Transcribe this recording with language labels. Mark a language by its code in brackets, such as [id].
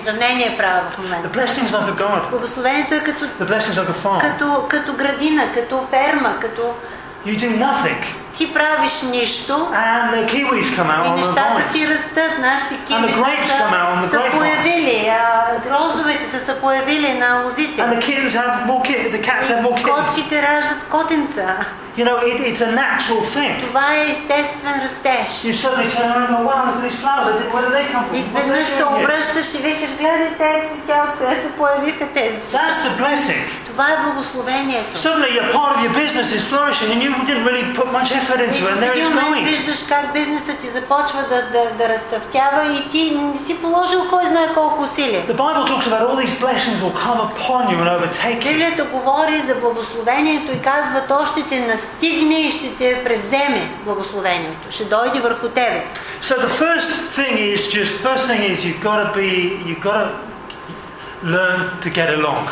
[bg] Сравнение правя в момента. Благословението е като като градина, като ферма, като... [en] You do nothing. [bg] Ти правиш нищо. [en] And the kiwis come out. [bg] И нещата си растат, нашите киви са появили, гроздовете са се появили на лозите. [en] And the kittens have more kittens. The cats have more kittens. [bg] Котките раждат котенца. [en] You know, it's a natural thing. [bg] Това е естествен растеж. [en] You suddenly turn around and go, wow, look at these flowers. Where did they come from? [bg] Изведнъж се обръщаш и викаш, гледай тези цветя, откъде се появиха тези цветя. [en] That's the blessing. [bg] Това е благословението. [en] Suddenly your part of your business is flourishing and you didn't really put much effort into it. [bg] И в един момент виждаш как бизнесът ти започва да разцъфтява и ти не си положил кой знае колко усилия. [en] The Bible talks about all these blessings will come upon you and overtake you. [bg] Библията говори за благословението и казва, то ще те настигне и ще те превземе благословението. Ще дойде върху тебе. [en] So the first thing is you've got to learn to get along.